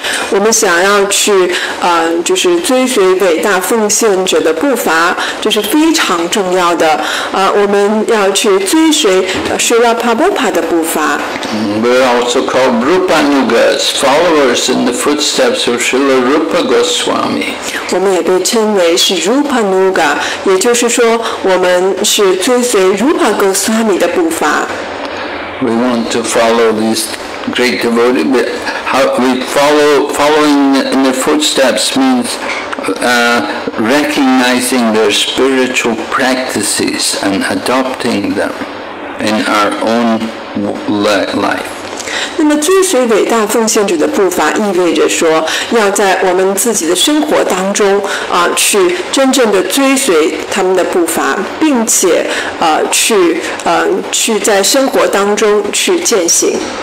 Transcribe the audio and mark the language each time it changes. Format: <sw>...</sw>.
<zh>我们想要去就是追随伟大奉献者的步伐，这是非常重要的。我们要去追随Srila Prabhupada的步伐。</zh> <en>We're also called Rupa Nugas, followers in the footsteps of Srila Rupa Goswami.</en> <zh>我们也被称为是 Rupa Nuga, 也就是说我们是追随 Rupa Goswami 的步伐。</zh> <en>We want to follow these great devotee, but following in their footsteps means recognizing their spiritual practices and adopting them in our own life.</en> <zh>那么追随伟大奉献者的步伐意味着说要在我们自己的生活当中去真正的追随他们的步伐，并且去在生活当中去践行。</zh>